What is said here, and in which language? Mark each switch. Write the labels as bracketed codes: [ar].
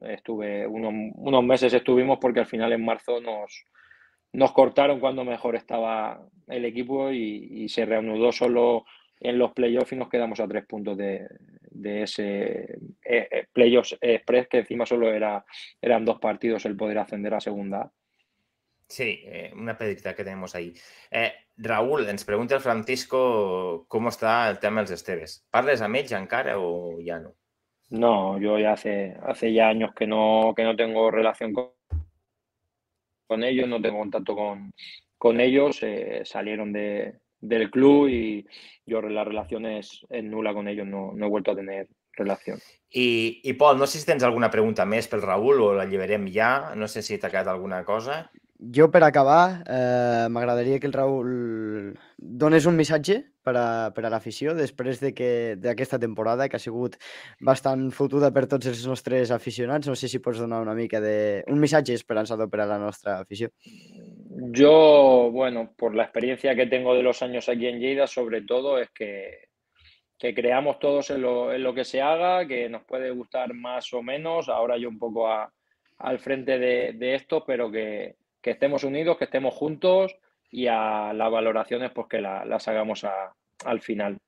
[es] Estuve unos meses, estuvimos porque al final en marzo nos cortaron cuando mejor estaba el equipo y se reanudó solo en los playoffs y nos quedamos a 3 puntos de ese playoffs express, que encima solo eran 2 partidos el poder ascender a segunda. Sí, una pedrita que tenemos ahí. Raúl, [ca] ens pregunta el Francisco [es] cómo está el tema dels Esteves. [ca] ¿Parles amb ells encara o ya no? [es] No, yo ya hace ya años que no tengo relación con ellos, no tengo contacto con ellos. Salieron del club y yo la relación es nula con ellos, no he vuelto a tener relación. [ca] I Pol, no sé si tens alguna pregunta més pel Raúl o la lliberem ja. No sé si t'ha quedat alguna cosa. Jo, per acabar, m'agradaria que el Raúl donés un missatge per a l'afició després d'aquesta temporada, que ha sigut bastant fotuda per tots els nostres aficionats. No sé si pots donar una mica un missatge esperançador per a la nostra afició. [es] Yo, bueno, por la experiencia que tengo de los años aquí en Lleida, sobre todo es que creamos todos en lo que se haga, que nos puede gustar más o menos, ahora yo un poco al frente de esto, pero que estemos unidos, que estemos juntos y a las valoraciones pues que las hagamos al final.